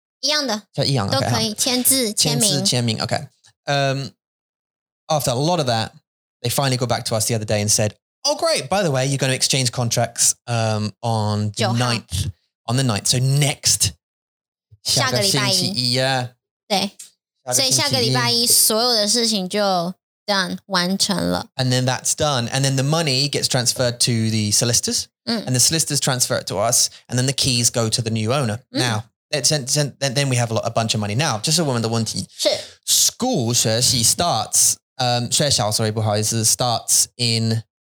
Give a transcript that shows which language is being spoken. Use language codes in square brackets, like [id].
[zh] 一样的, 签字签名, [en] okay. After a lot of that, they finally got back to us the other day and said, oh great, by the way, you're going to exchange contracts on the 9th. So next, [zh] 下个礼拜一, [en] yeah. [zh] 对,所以下个礼拜一所有的事情就... [en] done, [zh] 完成了. [en] And then that's done. And then the money gets transferred to the solicitors and the solicitors transfer it to us. And then the keys go to the new owner. Now, then we have a bunch of money. Now, just a woman, the one thing. School, 学习, starts, 学校, sorry, [zh] 不好意思, [en] starts in